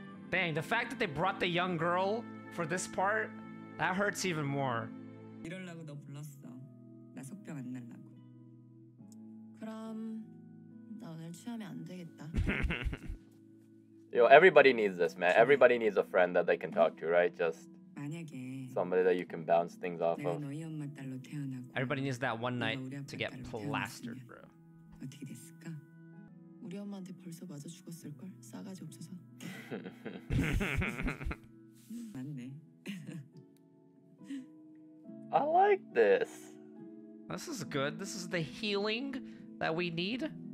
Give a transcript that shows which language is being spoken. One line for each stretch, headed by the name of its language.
English: Dang, the fact that they brought the young girl for this part, that hurts even more.
Korean: 이럴라고 너 불렀어. 나 속병 안 날라고. 그럼 나 오늘 취하면 안 되겠다.
English: Yo, everybody needs this, man. Everybody needs a friend that they can talk to, right? Just somebody that you can bounce things off of. Everybody needs that one night to get plastered, bro.
Korean: 어떻게 됐을까? 우리 엄마한테 벌써 맞아 죽었을 걸. 싸가지 없어서. 맞네.
English: I like this. This is good. This is the healing that we need.